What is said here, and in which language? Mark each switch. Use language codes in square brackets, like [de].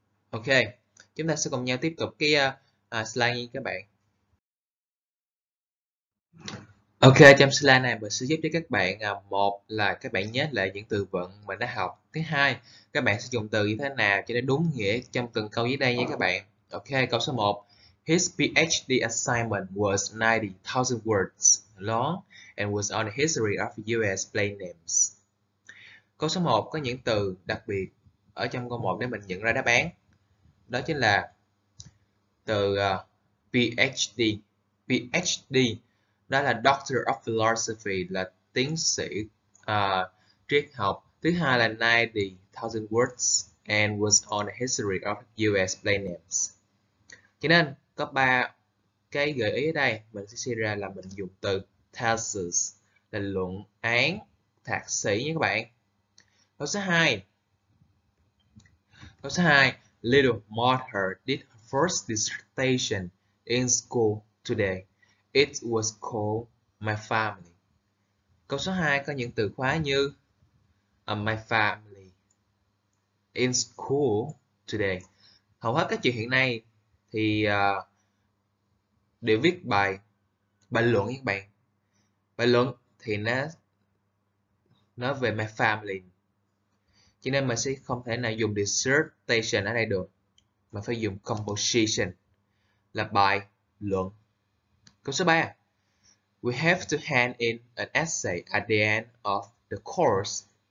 [vi] Ok, chúng ta sẽ cùng nhau tiếp tục cái slide nha các bạn. Ok, trong slide này mình sẽ giúp cho các bạn một là các bạn nhớ lại những từ vựng mình đã học. Thứ hai, các bạn sẽ dùng từ như thế nào cho nó đúng nghĩa trong từng câu dưới đây nha các bạn. Ok, câu số 1. [en] His PhD assignment was 90,000 words long and was on the history of US plane names. [vi] Câu số 1 có những từ đặc biệt ở trong câu 1 để mình nhận ra đáp án. Đó chính là từ PhD. PhD đó là Doctor of Philosophy, là tiến sĩ triết học. Thứ hai là [en] 90,000 words and was on the history of US plane names. [vi] Cho nên có ba cái gợi ý ở đây, mình sẽ chia ra là mình dùng từ thesis là luận án, thạc sĩ nha các bạn. Câu số 2, [en] Little Mother did her first dissertation in school today. It was called My Family. [vi] Câu số 2 có những từ khóa như [en] My Family, in school today. [vi] Hầu hết các chuyện hiện nay thì để viết bài luận các bạn. Bài luận thì nó về my family. Cho nên mình sẽ không thể nào dùng dissertation ở đây được. Mà phải dùng composition là bài luận. Câu số 3. [en] We have to hand in an essay at the end of the course.